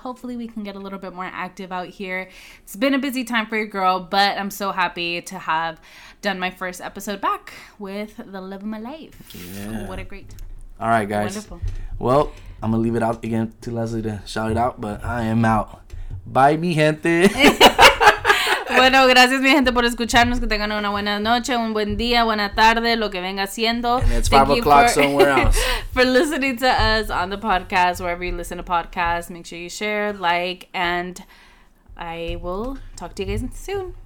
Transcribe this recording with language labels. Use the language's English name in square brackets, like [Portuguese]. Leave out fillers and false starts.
[English] Hopefully we can get a little bit more active out here. It's been a busy time for your girl, but I'm so happy to have done my first episode back with the love of my life. Yeah. What a great time. All right, guys. Wonderful. Well, I'm going to leave it out again to Leslie to shout it out, but I am out. Bye, [Spanish] mi gente. Bueno, gracias, mi gente, por escucharnos. Que tengan una buena noche, un buen día, buena tarde, lo que venga siendo. [English] And it's 5 o'clock somewhere else. For listening to us on the podcast, wherever you listen to podcasts, make sure you share, like, and I will talk to you guys soon.